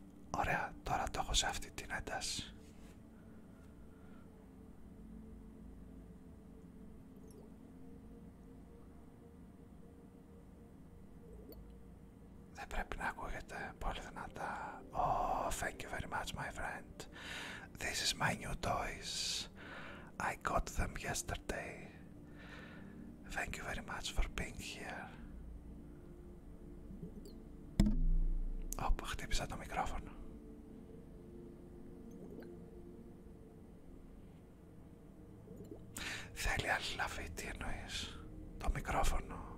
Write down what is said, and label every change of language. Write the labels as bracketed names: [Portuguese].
[Greek] Ωραία, τώρα το έχω σε αυτή την ένταση. Δεν πρέπει να ακούγεται πολύ δυνατά. [English] Oh, thank you very much, my friend. This is my new toys. I got them yesterday. Thank you very much for being here. [Greek] Oh, χτύπησα το μικρόφωνο. Θέλει αλληλαφή, τι εννοείς? Το μικρόφωνο.